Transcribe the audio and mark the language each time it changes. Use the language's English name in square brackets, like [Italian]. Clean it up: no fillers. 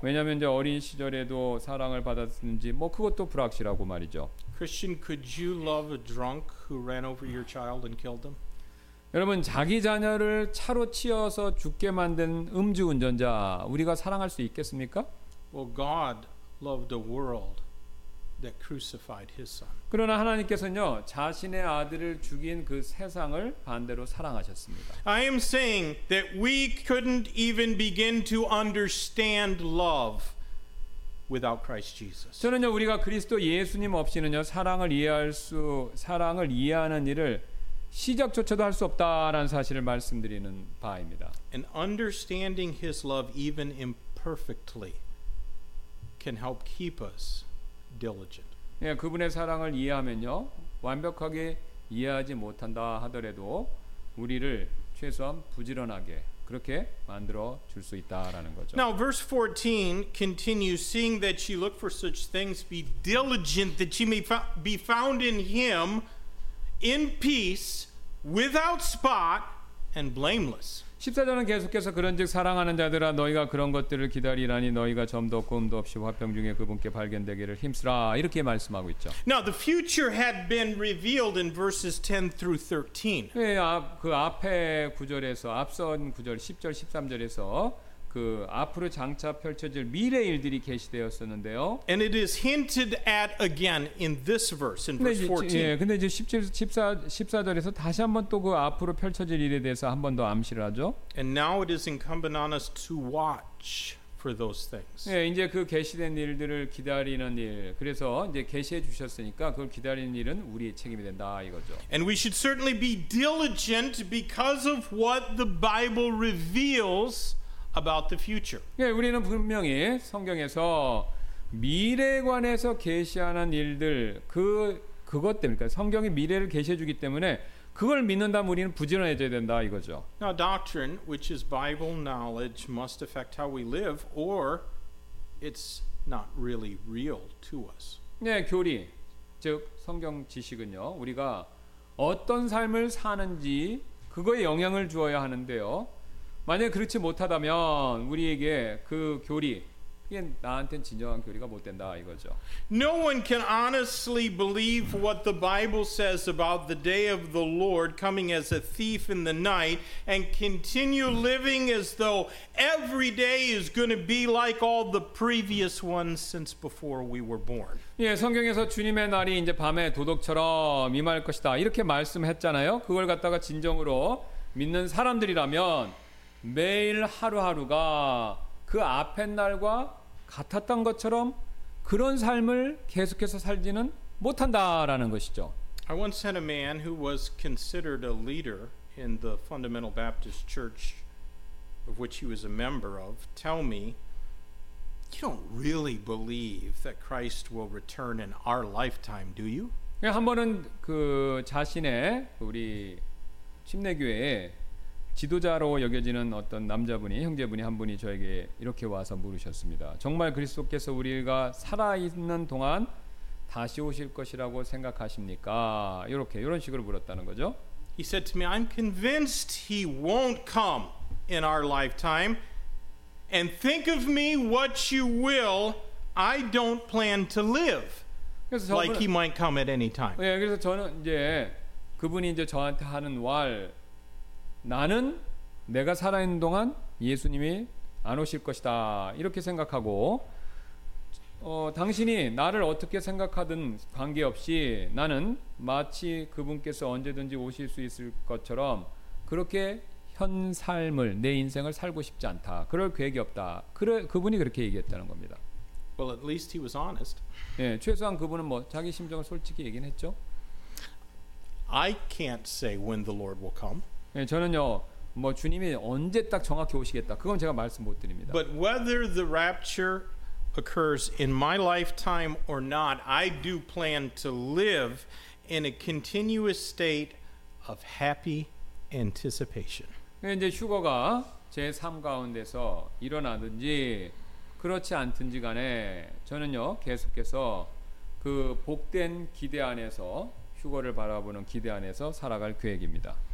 [Korean] 왜냐하면 이제 어린 시절에도 사랑을 받았는지 뭐 그것도 불확실하고 말이죠. [English] Christian, could you love a drunk who ran over your child and killed him? [Korean] 여러분 자기 자녀를 차로 치어서 죽게 만든 음주 운전자 우리가 사랑할 수 있겠습니까? [English] Well, God loved a world that crucified His Son. [Korean] 그러나 하나님께서는요 자신의 아들을 죽인 그 세상을 반대로 사랑하셨습니다. [English] I am saying that we couldn't even begin to understand love without Christ Jesus. [Korean] 저는요 우리가 그리스도 예수님 없이는요 사랑을 이해하는 일을 시작조차도 할 수 없다라는 사실을 말씀드리는 바입니다. [English] And understanding His love even imperfectly can help keep us diligent. [Korean] 예, 그분의 사랑을 이해하면요 완벽하게 이해하지 못한다 하더라도 우리를 최소한 부지런하게 그렇게 만들어 줄 수 있다라는 거죠. [English] Now verse 14 continues, seeing that you look for such things, be diligent that you may be found in Him, in peace, without spot and blameless. [Korean] 14절은 계속해서 그런즉 사랑하는 자들아 너희가 그런 것들을 기다리라니 너희가 점도 꿈도 없이 화평 중에 그분께 발견되기를 힘쓰라 이렇게 말씀하고 있죠. [English] Now the future had been revealed in verses 10 through 13. [Korean] 예, 그 앞에 구절에서 앞선 구절 10절 13절에서 그 앞으로 장차 펼쳐질 미래 일들이 계시되었었는데요. [English] And it is hinted at again in this verse, in verse 14. [Korean] 예, 근데 이제 14절에서 다시 한번 또 그 앞으로 펼쳐질 일에 대해서 한 번 더 암시를 하죠. [English] And now it is incumbent on us to watch for those things. [Korean] 예, 이제 그 계시된 일들을 기다리는 일. 그래서 이제 계시해 주셨으니까 그걸 기다리는 일은 우리의 책임이 된다 이거죠. [English] And we should certainly be diligent because of what the Bible reveals about the future. [Korean] 예, 우리는 분명히 성경에서 미래에 관해서 계시하는 일들 그것 때문에 성경이 미래를 계시해 주기 때문에 그걸 믿는다면 우리는 부지런해져야 된다 이거죠. [English] Now doctrine which is Bible knowledge must affect how we live or it's not really real to us. [Korean] 네, 예, 교리 즉 성경 지식은요. 우리가 어떤 삶을 사는지 그거에 영향을 주어야 하는데요. 만약 그렇지 못하다면 우리에게 그 교리 이게 나한테는 진정한 교리가 못 된다 이거죠. [English] No one can honestly believe what the Bible says about the day of the Lord coming as a thief in the night and continue living as though every day is going to be like all the previous ones since before we were born. [Korean] 예, 성경에서 주님의 날이 이제 밤에 도둑처럼 임할 것이다 이렇게 말씀했잖아요. 그걸 갖다가 진정으로 믿는 사람들이라면 매일 하루하루가 그 앞에 날과 같았던 것처럼 그런 삶을 계속해서 살지는 못한다라는 것이죠. [English] I once had a man who was considered a leader in the Fundamental Baptist Church of which he was a member of tell me you don't really believe that Christ will return in our lifetime, do you? [Korean] 한 번은 그 자신의 우리 침례교회에 지도자로 여겨지는 어떤 남자분이 형제분이 한 분이 저에게 이렇게 와서 물으셨습니다. 정말 그리스도께서 우리가 살아있는 동안 다시 오실 것이라고 생각하십니까? 이렇게 이런 식으로 물었다는 거죠. [English] He said to me, I'm convinced he won't come in our lifetime. And think of me what you will, I don't plan to live like he might come at any time. [Korean] 예, 그래서 저는 이제 그분이 이제 저한테 하는 말 나는 내가 살아있는 동안 예수님이 안 오실 것이다 이렇게 생각하고 당신이 나를 어떻게 생각하든 관계없이 나는 마치 그분께서 언제든지 오실 수 있을 것처럼 그렇게 현 삶을 내 인생을 살고 싶지 않다 그럴 계획이 없다 그분이 그렇게 얘기했다는 겁니다. [English] Well, at least he was honest. [Korean] 예, 최소한 그분은 뭐 자기 심정을 솔직히 얘기는 했죠. [English] I can't say when the Lord will come. [Korean] 예, 저는요, 뭐 주님이 언제 딱 정확히 오시겠다, 그건 제가 말씀 못 드립니다. [English] But whether the rapture occurs in my lifetime or not, I do plan to live in a continuous state of happy anticipation. [Korean] 예, 이제 휴거가 제 삶 가운데서 일어나든지 그렇지 않든지 간에 저는요 계속해서 그 복된 기대 안에서 휴거를 바라보는 기대 안에서 살아갈 계획입니다.